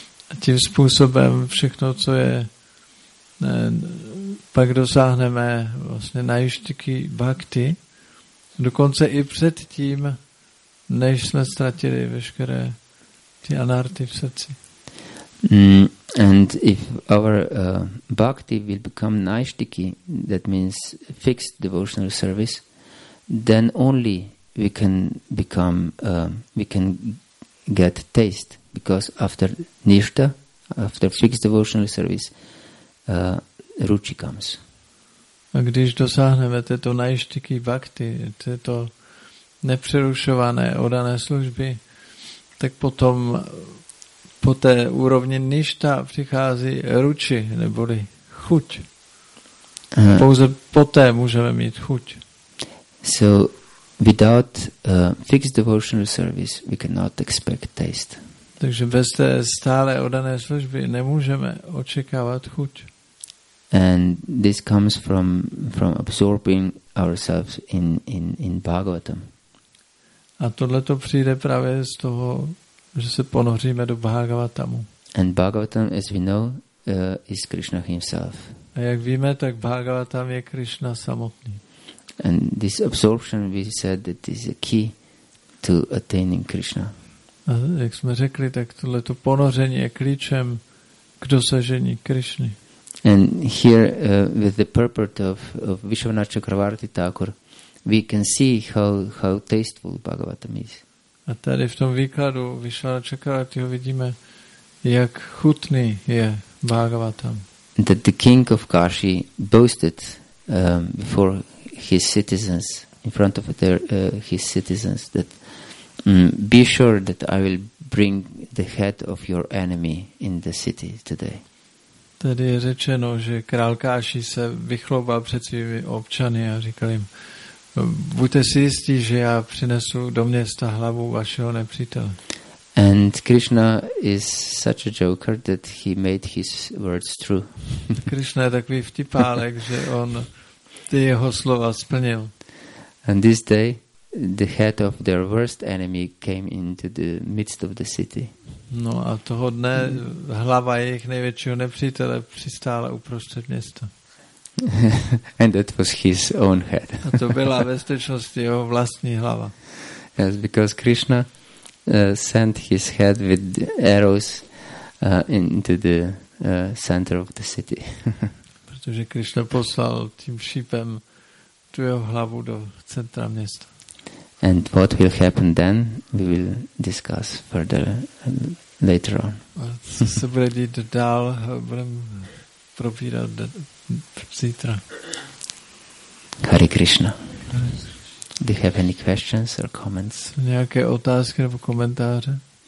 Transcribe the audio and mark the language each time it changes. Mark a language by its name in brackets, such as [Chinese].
[Czech] A tím způsobem všechno, co je pak dosáhneme vlastně najištěky bhakti, dokonce i před tím, než jsme ztratili veškeré ty anarty v srdci. [English] And if our bhakti will become naishtiki, that means fixed devotional service, then only we can become, we can get taste, because after nishta, after fixed devotional service, ruchi comes. [Czech] A když dosáhneme této naishtiki bhakti, této nepřerušované oddané služby, tak potom po té úrovni ništa přichází ruči, neboli chuť. Pouze poté můžeme mít chuť. [English] So, without fixed devotional service, we cannot expect taste. [Czech] Takže bez té stále oddané služby nemůžeme očekávat chuť. [English] And this comes from absorbing ourselves in Bhagavatam. [Czech] A tohle to přijde právě z toho, že se ponoříme do Bhagavatamu. [English] And Bhagavatam, as we know, is Krishna himself. [Czech] A jak víme, tak Bhagavatam je Krishna samotný. [English] And this absorption, we said that is a key to attaining Krishna. [Czech] A jak jsme řekli, tak tohleto ponoření je klíčem k dosažení Krishny. [English] And here with the purport of Vishvanatha Chakravarti Thakur, we can see how tasteful Bhagavatam is. [Czech] A tady v tom výkladu Vishvanatha Chakravarti vidíme, jak chutný je Bhagavatam. [English] That the king of Kashi boasted before his citizens, in front of their his citizens, that be sure that I will bring the head of your enemy in the city today. [Czech] Tady je řečeno, že král Káši se vychloubal před svými občany a říkal jim, buďte si jistí, že já přinesu do města hlavu vašeho nepřítele. [English] And Krishna is such a joker that he made his words true. [Czech] Krishna je takový vtipálek, že on ty jeho slova splnil. [English] And this day, the head of their worst enemy came into the midst of the city. [Czech] No a toho dne hlava jejich největšího nepřítele přistála uprostřed města. [English] And that was his own head. [Czech] A to byla ve skutečnosti jeho vlastní hlava. [English] Yes, because Krishna sent his head with arrows into the center of the city. [Czech] Protože Krishna poslal tím šípem tu jeho hlavu do centra města. [English] And what will happen then, we will discuss further later on. [Czech] Co se bude dít dál, budeme probírat zítra. [English] Hare Krishna. Do you have any questions or comments? [Czech] Nějaké otázky nebo komentáře?